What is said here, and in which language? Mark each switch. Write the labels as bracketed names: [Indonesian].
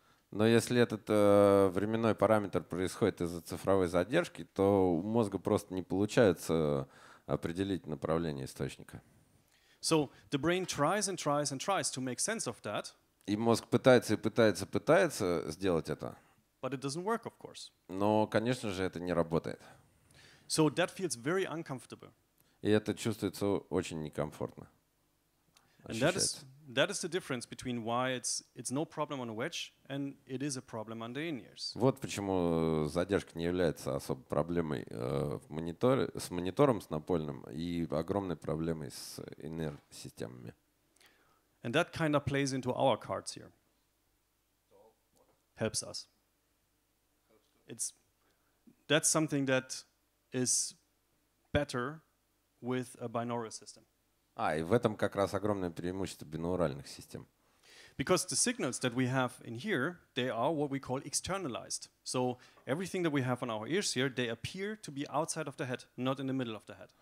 [Russian] Но если этот временной параметр происходит из-за цифровой задержки, то у мозга просто не получается определить направление источника. [English] So the brain tries and tries and tries to make sense of that. [Russian] И мозг пытается и пытается, пытается сделать это. [English] But it doesn't work, of course. [Russian] Но, конечно же, это не работает. [English] So that feels very uncomfortable. [Russian] И это чувствуется очень некомфортно. [English] That is the difference between why it's no problem on a wedge and it is a problem on the in-ears. [Russian] Вот почему задержка не является особой проблемой с монитором с напольным и огромной проблемой с in-ear системами. [English] And that kind of plays into our cards here. Helps us. That's something that is better with a binaural system. [Russian] А, и в этом как раз огромное преимущество бинауральных систем. [English] Because the signals that we have in here, they are what we call externalized. So everything that we have on our ears here, they appear to be outside of the head, not in the middle of the head.